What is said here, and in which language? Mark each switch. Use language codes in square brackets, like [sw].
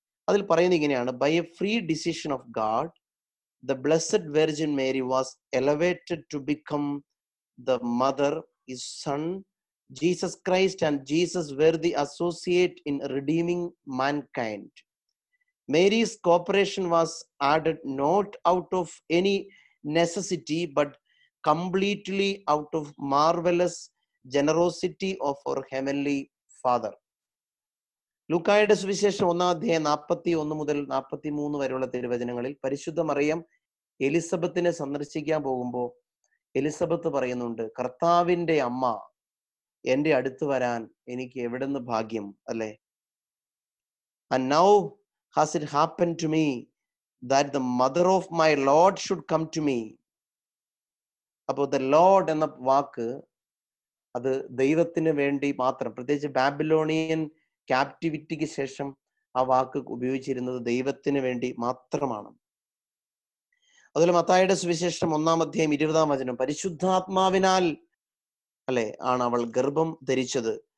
[ml] അതിൽ പറയുന്നത് ഇങ്ങനെയാണ്, [en] By a free decision of God the blessed virgin Mary was elevated to become the mother his son Jesus Christ and Jesus were the associate in redeeming mankind. Mary's cooperation was added not out of any necessity but completely out of marvelous generosity of her heavenly father. [ml] ലൂക്കായുടെ സുവിശേഷം ഒന്നാം അധ്യായം 41-43 വരെയുള്ള തിരുവചനങ്ങളിൽ പരിശുദ്ധ മറിയം എലിസബത്തിനെ സന്ദർശിക്കാൻ പോകുമ്പോൾ Elizabeth പറയുന്നുണ്ട്, കർത്താവിൻ്റെ അമ്മ എൻ്റെ അടുത്ത് വരാൻ എനിക്ക് എവിടുന്ന് ഭാഗ്യം അല്ലേ. [en] And now has it happened to me that the mother of my Lord should come to me. About the Lord [ml] എന്ന വാക്ക് അത് ദൈവത്തിന് വേണ്ടി മാത്രം, പ്രത്യേകിച്ച് ബാബിലോണിയൻ ക്യാപ്റ്റിവിറ്റിക്ക് ശേഷം ആ വാക്ക് ഉപയോഗിച്ചിരുന്നത് ദൈവത്തിന് വേണ്ടി മാത്രമാണ്. അതുപോലെ മത്തായിയുടെ സുവിശേഷം 1:20 പരിശുദ്ധാത്മാവിനാൽ അല്ലെ ആണ് അവൾ ഗർഭം ധരിച്ചത്.